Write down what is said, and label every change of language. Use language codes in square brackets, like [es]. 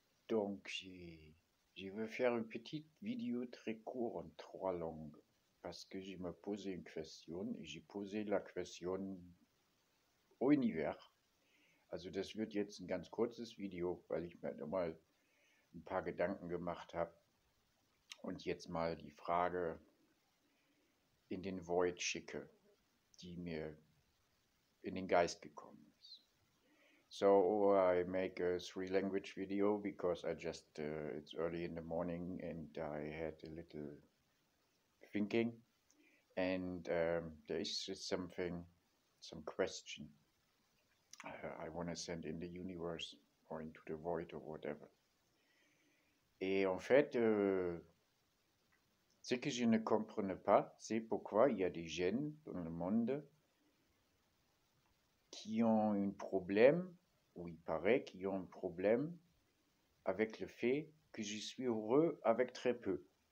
[fr] Donc, je vais faire une petite vidéo très courte en trois langues parce que je me posais une question et j'ai posé la question au univers. [de] Also, das wird jetzt ein ganz kurzes Video, weil ich mir nochmal ein paar Gedanken gemacht habe und jetzt mal die Frage in den Void schicke, die mir in den Geist gekommen ist. [en] So I make a three language video because I just it's early in the morning and I had a little thinking and there is just some question I want to send in the universe or into the void or whatever. [fr] Et en fait, ce que je ne comprenais pas, c'est pourquoi il y a des gens dans le monde qui ont un problème. Où il paraît qu'ils ont un problème avec le fait que je suis heureux avec très peu.